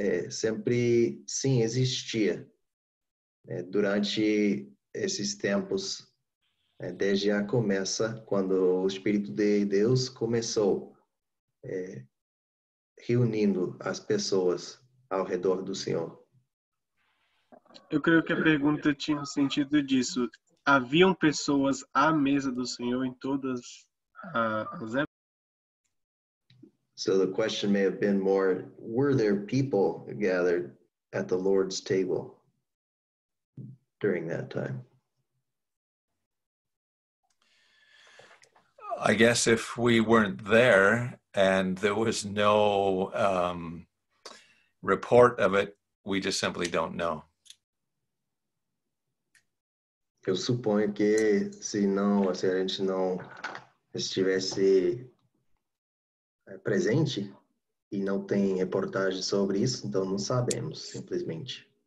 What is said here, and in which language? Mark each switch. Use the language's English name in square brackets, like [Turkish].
[Portuguese] sempre, sim, existia durante esses tempos, desde a começa, quando o Espírito de Deus começou reunindo as pessoas ao redor do Senhor. Eu creio que a pergunta tinha o sentido disso. Haviam pessoas à mesa do Senhor em todas as épocas? [English] So the question may have been more, were there people gathered at the Lord's table during that time? I guess if we weren't there and there was no report of it, we just simply don't know. [Portuguese] Eu suponho que se a gente não estivesse presente e não tem reportagem sobre isso, então não sabemos, simplesmente.